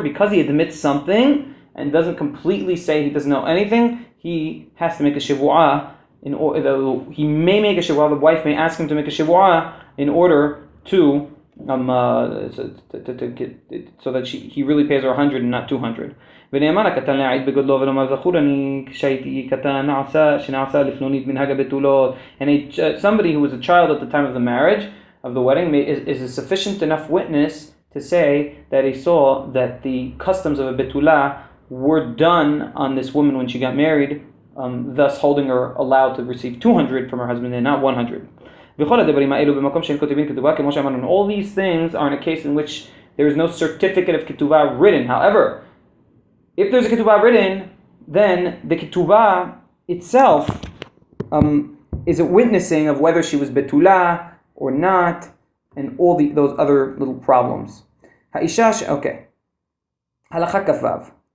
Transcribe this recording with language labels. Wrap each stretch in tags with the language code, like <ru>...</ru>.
<en>Because he admits something and doesn't completely say he doesn't know anything, he has to make a shiwa, in order he may make a shiwa, the wife may ask him to make a shiwa in order to that he really pays her 100 and not 200.</en> <he>ונאמן הקטן להעיד בגודלו ולומר זכור אני כשהייתי קטן שנעשה לפנונית מנהג הבתולות.</he> <en>And somebody who was a child at the time of the marriage, of the wedding, is a sufficient enough witness to say that he saw that the customs of a betula were done on this woman when she got married, thus holding her allowed to receive 200 from her husband and not 100.</en> <he>וכל הדברים האלו במקום שאין כותבים כתובה, כמו שאמרנו,</he> <en>all these things are in a case in which there is no certificate of ketubah written. However, if there's a ketubah written, then the ketubah itself is a witnessing of whether she was betula or not, and all the those other little problems. Ha'ishash, okay. Halacha kafav.</en>